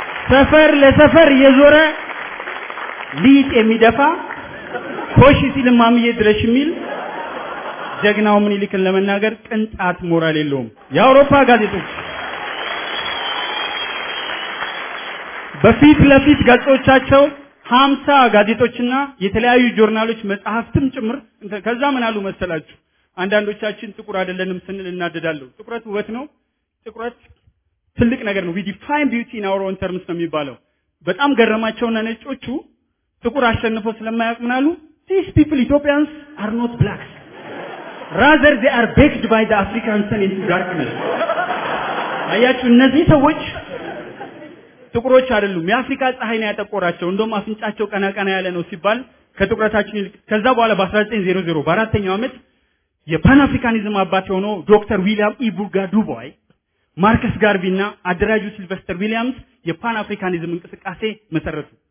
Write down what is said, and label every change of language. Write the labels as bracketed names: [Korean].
[Amharic] ሰፈር ለሰፈር የዞረ ሊጥ የሚደፋ ኮሽ ሲልማምዬ ድረሽሚል ጀግናው ምኒልክን ለመናገር ቅንጣት ሞራል የለውም። የአውሮፓ ጋዜጦች በፊት ለፊት ጋዜጦቻቸው 50 ጋዜጦችና የተለያዩ ጆርናሎች መጽሐፍትም ጭምር ከዛ ምን አሉ መሰላችሁ? አንዳንዶቻችን ጥቁር አይደለንም ስንል እናደዳለን። ጥቁረት ውበት ነው። ጥቁረት ትልቅ ነገር ነው። [English] we define beauty in our own terms [Amharic] ነው የሚባለው። በጣም ገረማቸውና ነጮቹ ጥቁር አሸንፎ ስለማያውቅ ምን አሉ? [English] these people Ethiopians are not blacks rather they are baked by the african sun into darkness. [Amharic] አያችሁ እነዚህ ሰዎች ጥቁሮች አይደሉም የአፍሪካ ፀሐይ ነው ያጠቆራቸው። እንደውም አፍንጫቸው ቀናቀና ያለ ነው ሲባል ከጥቁረታችን ይልቅ። ከዛ በኋላ በ1900 በአራተኛው አመት የፓን አፍሪካኒዝም አባት ሆኖ ዶክተር ዊሊያም ኢቡጋ ዱቦይ ማርከስ ጋርቪና አድራጁ ሲልቨስተር ዊሊያምስ የፓን አፍሪካኒዝም እንቅስቃሴ መሰረቱ።